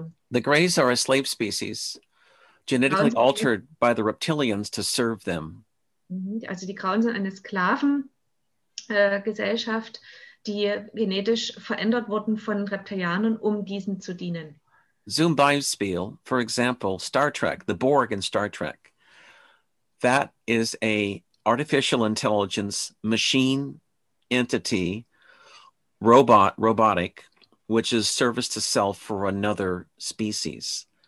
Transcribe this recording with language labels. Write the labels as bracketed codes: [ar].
[en] The grays are a slave species, genetically altered by the reptilians to serve them. [de] Also die Grauen sind eine Sklavengesellschaft, die genetisch verändert wurden von Reptilianern, um diesen zu dienen. Zumbispiel, [en] for example, Star Trek, the Borg in Star Trek. That is a artificial intelligence machine entity, robotic, which is service to self for another species.